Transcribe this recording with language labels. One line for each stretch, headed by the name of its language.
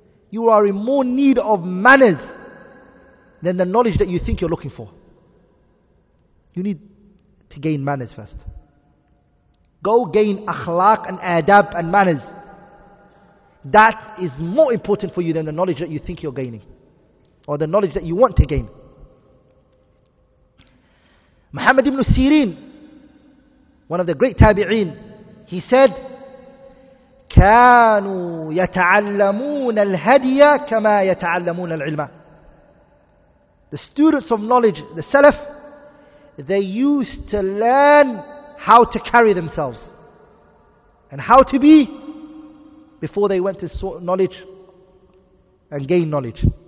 English: You are in more need of manners than the knowledge that you think you're looking for. You need to gain manners first. Go gain akhlaq and adab and manners. That is more important for you than the knowledge that you think you're gaining, or the knowledge that you want to gain. Muhammad ibn Sirin, one of the great tabi'een, he said,
Arabic: كانوا يتعلمون الهدي كما يتعلمون العلم.
English: The students of knowledge, the salaf, they used to learn how to carry themselves and how to be before they went to sort knowledge and gain knowledge.